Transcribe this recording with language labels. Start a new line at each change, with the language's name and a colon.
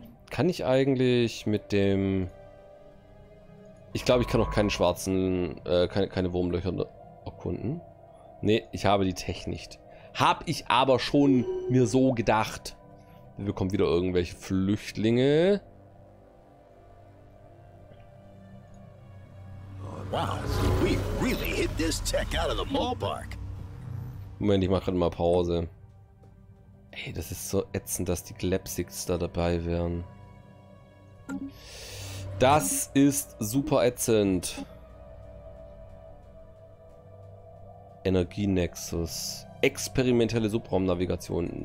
German: Kann ich eigentlich mit dem... Ich glaube, ich kann auch keine schwarzen... keine Wurmlöcher erkunden. Nee, ich habe die Tech nicht. Hab ich aber schon mir so gedacht. Wir bekommen wieder irgendwelche Flüchtlinge.
English: Wow, so we really hit this tech out of the ballpark.
German: Moment, ich mach grad mal Pause. Ey, das ist so ätzend, dass die Glepsigs da dabei wären. Das ist super ätzend. Energienexus. Experimentelle Subraumnavigation.